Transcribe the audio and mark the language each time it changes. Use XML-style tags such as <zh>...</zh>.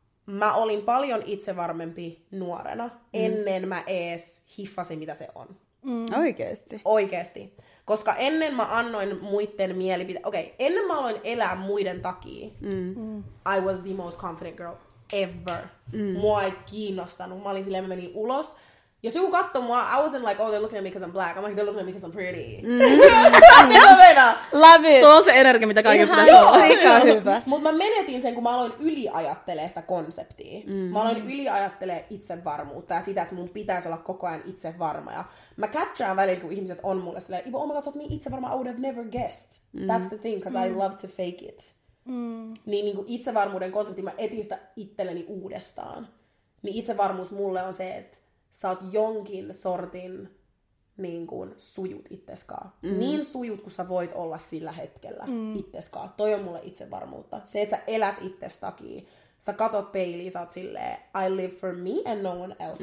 <fi>mä olin paljon itsevarmempi nuorena, ennen mä ees hiffasin, mitä se on. Oikeesti. Koska ennen mä annoin muiden mielipiteen... ennen mä aloin elää muiden takia,</fi> <en>I was the most confident girl ever.</en> <fi>Mua ei kiinnostanut. Mä olin silleen, mä menin ulos. Jos joku katsoi mua,</fi> <en>I wasn't like, oh, they're looking at me because I'm black. I'm like, they're looking at me because I'm pretty. Love it.</en> <fi>Tuo on se energia, mitä kaiken pitää olla. Hyvä. Mutta mä menetin sen, kun mä aloin yliajattelee sitä konseptia. Mä aloin yliajattelee itsevarmuutta ja sitä, että mun pitäisi olla koko ajan itsevarma. Ja mä catchaan välillä, kun ihmiset on mulle silleen,</fi> <en>oh my god,</en> <fi>sä oot niin itsevarma,</fi> <en>I would have never guessed. That's the thing, because I love to fake it.</en> <fi>Niin kuin itsevarmuuden konsepti, mä etin sitä itselleni uudestaan. Niin itsevarmuus mulle on se, että sä oot jonkin sortin niin kuin sujut itseskaan. Mm. Niin sujut, kun sä voit olla sillä hetkellä itseskaan. Toi on mulle itsevarmuutta. Se, että sä elät itses takia. Sä katot peiliin, sä oot silleen,</fi> <en>I live for me and no one else.</en>